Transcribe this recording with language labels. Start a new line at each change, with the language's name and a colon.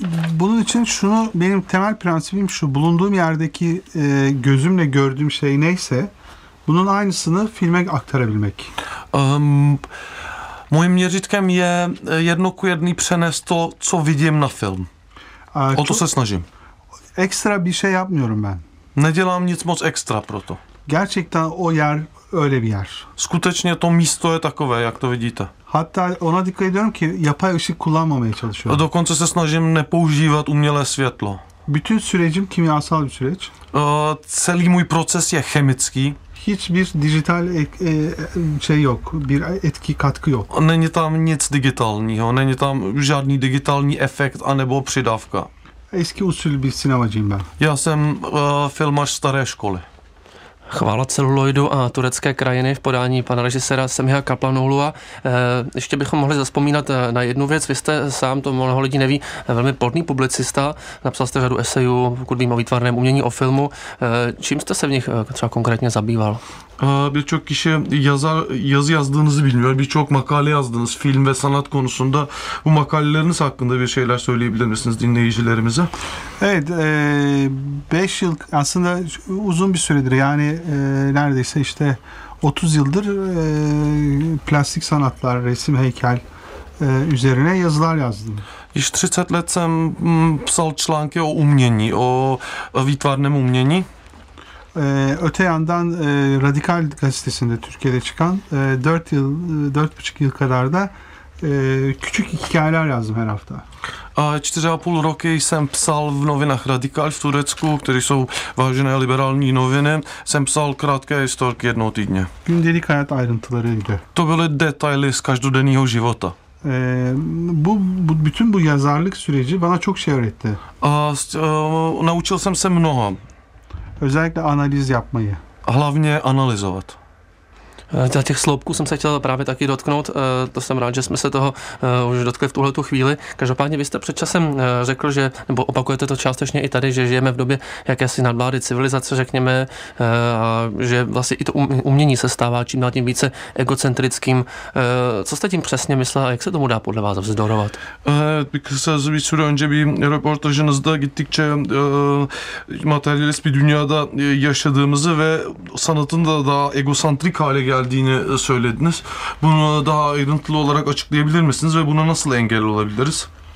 Turkish: Bunun için şunu, benim temel prensibim şu, bulunduğum yerdeki gözümle gördüğüm şey neyse bunun aynısını filme aktarabilmek.
Czech: Mojim měřitkem je jedno ku jedný přenést to, co vidím na film. O to se snažím.
Turkish: Ekstra bir şey yapmıyorum ben.
Czech: Nedělám nic moc extra proto.
Turkish: Gerçekten o yer öyle bir yer.
Czech: Skutečně to místo je takové, jak to vidíte.
Turkish: Hatta ona dikkat ediyorum ki yapay ışık kullanmamaya çalışıyorum.
Czech: Dokonce se snažím nepoužívat umělé světlo.
Turkish: Bütün sürecim kimyasal bir süreç.
Czech: Celý můj proces je chemický.
Turkish: Hiçbir dijital şey yok, bir etki katkı yok.
Czech: Není tam nic digitálního, není tam žádný digitální efekt anebo přidávka.
Turkish: Eski usul bir sinemacıyım ben.
Czech: Já jsem filmař staré školy. Chvála celuloidu a turecké krajiny v podání pana režiséra Semiha Kaplanoğlu'a. Ještě bychom mohli zapomínat na jednu věc. Vy jste sám, to mnoho lidí neví, velmi plodný publicista. Napsal jste řadu esejů, pokud vím, o výtvarném umění, o filmu. Čím jste se v nich třeba konkrétně zabýval?
Turkish: Birçok kişi yazı yazdığınızı bilmiyor. Birçok makale yazdınız film ve sanat konusunda. Bu makaleleriniz hakkında bir şeyler söyleyebilir misiniz dinleyicilerimize? Evet, 5 yıl aslında uzun bir süredir. Yani neredeyse işte 30 yıldır plastik sanatlar, resim, heykel üzerine yazılar yazdım.
Czech: Již 30 let jsem psal články o umění, o výtvarném umění.
Turkish: Öte yandan Radikal gazetesinde Türkiye'de çıkan 4,5 yıl kadar da küçük hikayeler yazdım her hafta.
Czech: 4,5 roky jsem psal v novinách Radikal v Turecku, které jsou vážené liberální noviny. Jsem psal krátké historky jednou týdně.
Turkish: Gündelik hayat ayrıntılarıydı.
Czech: To byly detaily z každodenního života.
Turkish: Bu bütün bu yazarlık süreci bana çok şey öğretti.
Czech: Naučil jsem se mnoho.
Turkish: Özellikle analiz yapmayı.
Czech: Hlavně analyzovat. Za těch sloupků jsem se chtěl právě taky dotknout. To jsem rád, že jsme se toho už dotkli v tuhletu chvíli. Každopádně vy jste před časem řekl, že, nebo opakujete to částečně i tady, že žijeme v době jakési nadvlády civilizace, řekněme, a že vlastně i to umění se stává čím dál tím více egocentrickým. Co jste tím přesně myslel a jak se tomu dá podle vás vzdorovat?
Turkish: Geldiğini söylediniz. Bunu daha ayrıntılı olarak açıklayabilir misiniz ve buna nasıl engel olabiliriz?